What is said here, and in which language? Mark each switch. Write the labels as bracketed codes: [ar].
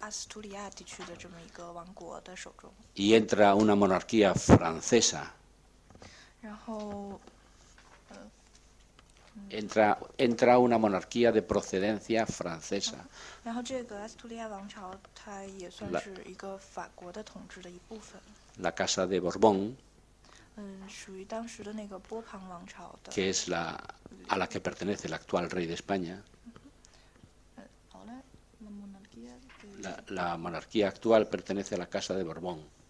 [zh] 在17世纪的时候，他那个整个西班牙的统治呢，由过去的那个封建王朝转到了那个君主制的那个王朝，转到了一个就是来自于阿斯图里亚地区的这么一个王国的手中。 [es] Y entra una monarquía francesa. [zh] 然后, [es] entra una monarquía de procedencia francesa. [zh] 然后这个阿斯图里亚王朝，它也算是一个法国的统治的一部分。 [es] La casa de Borbón. [zh] 属于当时的那个波旁王朝的。 [es] Que es la a la que pertenece el actual rey de España. Ahora la monarquía. La monarquía actual pertenece a la casa de Borbón.